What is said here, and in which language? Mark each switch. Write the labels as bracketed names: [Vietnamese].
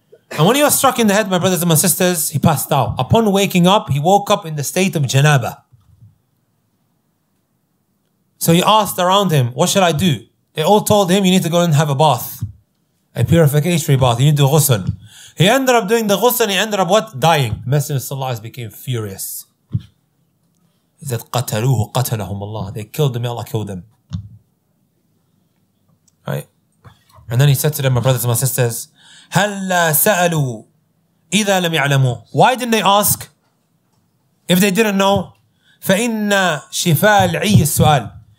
[English] And when he was struck in the head, my brothers and my sisters, he passed out. Upon waking up, he woke up in the state of janaba. So he asked around him, what should I do? They all told him, you need to go and have a bath. A purificatory bath. You need to do ghusl. He ended up doing the ghusl. He ended up what? Dying. Messenger of Allah became furious. He said, [Arabic] قَتَلُوهُ قَتَلَهُمْ اللَّهُ. [English] They killed them. May Allah kill them. Right? And then he said to them, my brothers and my sisters, [Arabic] هَلَّا سَأَلُوا إِذَا لَمْ يَعْلَمُوا. [English] Why didn't they ask? If they didn't know, [Arabic] فَإِنَّ شِفَاء الْعِيِّ السُّؤَالِ.